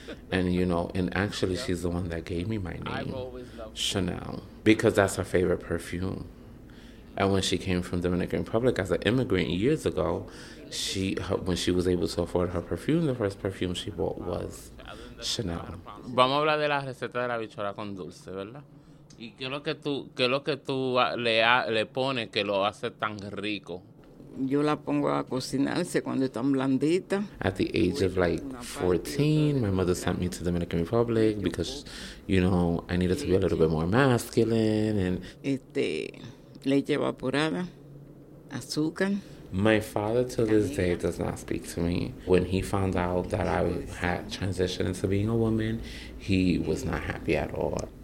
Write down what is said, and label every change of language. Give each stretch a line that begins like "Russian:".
English: And, you know, and actually she's the one that gave me my name, Chanel, because that's her favorite perfume. And when she came from Dominican Republic as an immigrant years ago, when she was able to afford her perfume, the first perfume she bought was Chanel.
Spanish: Vamos a hablar de la receta de la bichuela con dulce, ¿verdad? Y qué es lo que tú le pones que lo hace tan rico? Yo la pongo a cocinarse cuando están blanditas.
English: At the age of like 14, my mother sent me to the Dominican Republic because, you know, I needed to be a little bit more masculine. And
Spanish: leche evaporada, azúcar.
English: My father to this day does not speak to me. When he found out that I had transitioned into being a woman, he was not happy at all.